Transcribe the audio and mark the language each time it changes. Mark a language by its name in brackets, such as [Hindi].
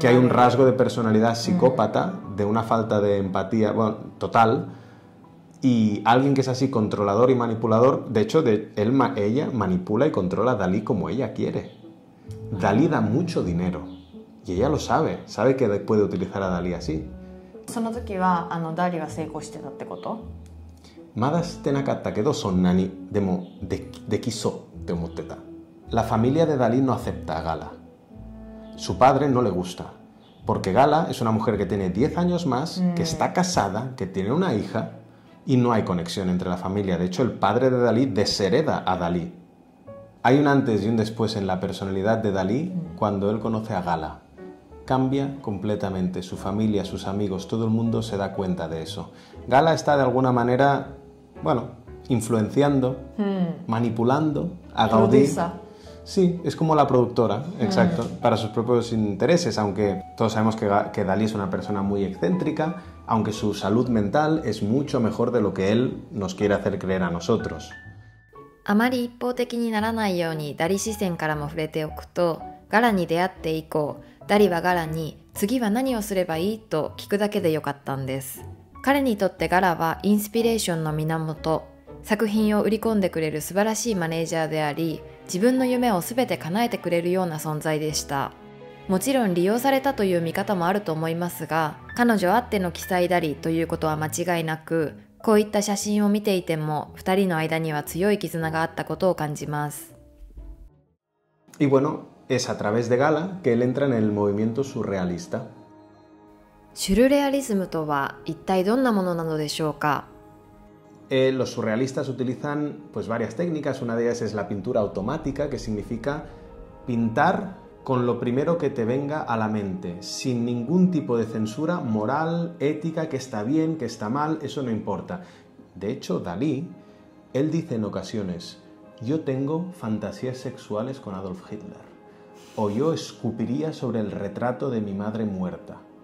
[Spanish] Que hay un rasgo de personalidad psicópata, de una falta de empatía, bueno, total. Y alguien que es así controlador y manipulador, de hecho, ella manipula y controla a Dalí como ella quiere. Dalí da mucho dinero y ella lo sabe que puede utilizar a Dalí así. [Japanese] その時はあのダリは成功してたってこと？まだしてなかったけどそんなにでもできそうって思ってた。 [Spanish] La familia de Dalí no acepta a Gala. Su padre no le gusta porque Gala es una mujer que tiene 10 años más, que está casada, que tiene una hija y no hay conexión entre la familia. De hecho, el padre de Dalí deshereda a Dalí. Hay un antes y un después en la personalidad de Dalí cuando él conoce a Gala. Cambia completamente su familia, sus amigos, todo el mundo se da cuenta de eso. Gala está de alguna manera, bueno, influenciando, manipulando a Gaudí. Produza. Sí, es como la productora, exacto, para sus propios intereses, aunque todos sabemos que Dalí es una persona muy excéntrica, aunque su salud mental es mucho mejor de lo que él nos quiere hacer creer a nosotros. [Japanese] あまり一方的にならないようにダリ視線からも触れておくと、ガラに出会って以降、ダリはガラに次は何をすればいいと聞くだけでよかったんです。彼にとってガラはインスピレーションの源、作品を売り込んでくれる素晴らしいマネージャーであり、自分の夢を全て叶えてくれるような存在でした。もちろん利用されたという見方もあると思いますが、彼女あっての記載ダリということは間違いなく、こういった写真を見ていても、二人の間には強い絆があったことを感じます。 [Spanish] Y bueno, es a través de Gala que él entra en el movimiento surrealista. [Japanese] シュルレアリズムとは一体どんなものなのでしょうか？ [Spanish] Los surrealistas utilizan pues varias técnicas. Una de ellas es la pintura automática, que significa pintar con lo primero que te venga a la mente, sin ningún tipo de censura moral, ética, que está bien, que está mal, eso no importa. De hecho, Dalí, él dice en ocasiones, yo tengo fantasías sexuales con Adolf Hitler, o yo escupiría sobre el retrato de mi madre muerta.